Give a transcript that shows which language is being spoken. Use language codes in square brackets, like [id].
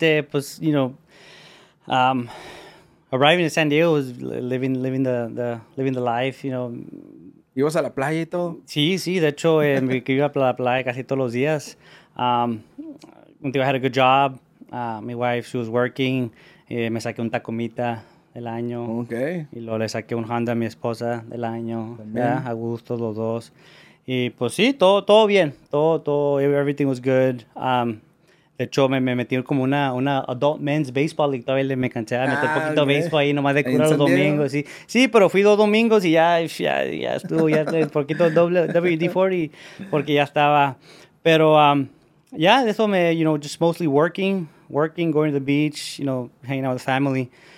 [es] pues, [en] you know, arriving in San Diego was living the life, you know. [es] ¿Ibas a la playa y todo? Sí, de hecho, me iba a la playa casi todos los días. [en] I had a good job, my wife, she was working, [es] me saqué un tacomita el año. [en] Okay. [es] Y luego le saqué un Honda a mi esposa del año. Ya, a gusto los dos. Y pues sí, todo bien. Todo, [en] everything was good. [es] De hecho, me metí como una [en] adult men's baseball league. [es] Todavía me canché a meter poquito baseball ahí nomás de curar los domingos. Sí, pero fui dos domingos y ya estuvo, ya un poquito WD-40 porque ya estaba. Pero eso me, [en] you know, just mostly working, going to the beach, you know, hanging out with family.